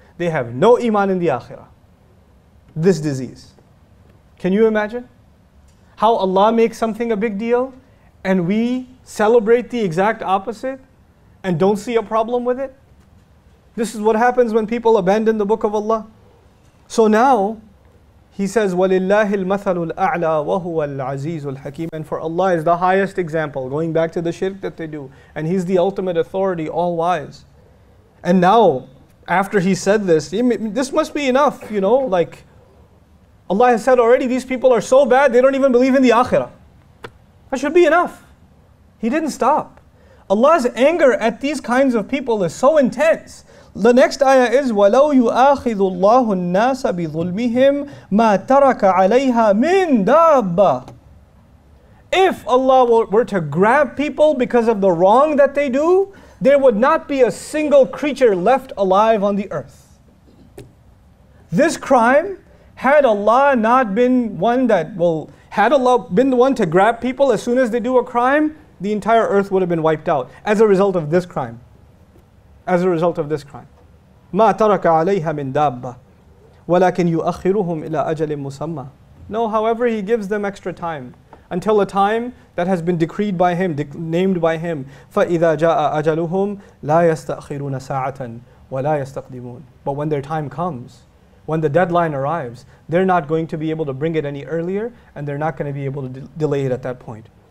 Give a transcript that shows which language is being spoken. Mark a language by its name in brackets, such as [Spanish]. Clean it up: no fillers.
[English] They have no iman in the akhirah. This disease. Can you imagine? How Allah makes something a big deal, and we celebrate the exact opposite, and don't see a problem with it? This is what happens when people abandon the book of Allah. So now, He says, [Arabic] وَلِلَّهِ الْمَثَلُ الْأَعْلَى وَهُوَ الْعَزِيزُ الْحَكِيمُ. [English] And for Allah is the highest example, going back to the shirk that they do. And He's the ultimate authority, all wise. And now, after He said this, this must be enough, you know, like, Allah has said already, these people are so bad, they don't even believe in the akhirah. That should be enough. He didn't stop. Allah's anger at these kinds of people is so intense. The next ayah is, [Arabic] وَلَوْ يُؤَاخِذُ اللَّهُ النَّاسَ بِظُلْمِهِمْ مَا تَرَكَ عَلَيْهَا مِنْ دَابَّةٍ. [English] If Allah were to grab people because of the wrong that they do, there would not be a single creature left alive on the earth. This crime, had Allah not been one that, well, had Allah been the one to grab people as soon as they do a crime, the entire earth would have been wiped out as a result of this crime. As a result of this crime. [Arabic] مَا تَرَكَ عَلَيْهَا مِنْ دَابَّةٍ وَلَكِنْ يُؤَخِّرُهُمْ إِلَىٰ أَجَلٍ مُسَمَّى. [English] No, however, He gives them extra time. Until a time that has been decreed by Him, named by Him. [Arabic] فَإِذَا جَاءَ أَجَلُهُمْ لَا يَسْتَأْخِرُونَ سَاعَةً وَلَا يَسْتَقْدِمُونَ. [English] But when their time comes, when the deadline arrives, they're not going to be able to bring it any earlier, and they're not going to be able to delay it at that point.